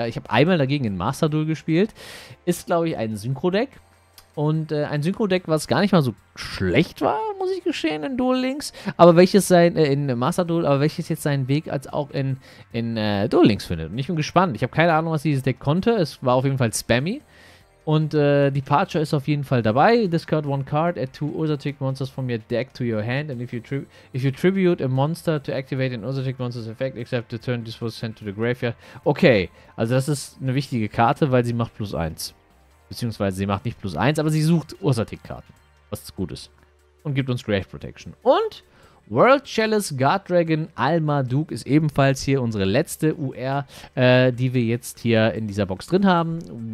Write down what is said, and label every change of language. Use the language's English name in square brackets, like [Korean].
[German] Ja, ich habe einmal dagegen in Master Duel gespielt. Ist, glaube ich, ein Synchro-Deck. Und ein Synchro-Deck, was gar nicht mal so schlecht war, muss ich gestehen, in Duel Links. Aber welches jetzt seinen Weg als auch in Duel Links findet. Und ich bin gespannt. Ich habe keine Ahnung, was dieses Deck konnte. Es war auf jeden Fall spammy. Und Departure ist auf jeden Fall dabei. [English] Discard one card, add two Orsatik Monsters from your deck to your hand. And if you tribute a monster to activate an Orsatik Monsters effect, except the turn this was sent to the graveyard. [German] Okay, also das ist eine wichtige Karte, weil sie macht plus 1. Beziehungsweise sie macht nicht plus 1, aber sie sucht Orsatik-Karten, was gut ist. Und gibt uns Grave Protection. Und World Chalice Guard Dragon Almaduke ist ebenfalls hier unsere letzte UR, die wir jetzt hier in dieser Box drin haben.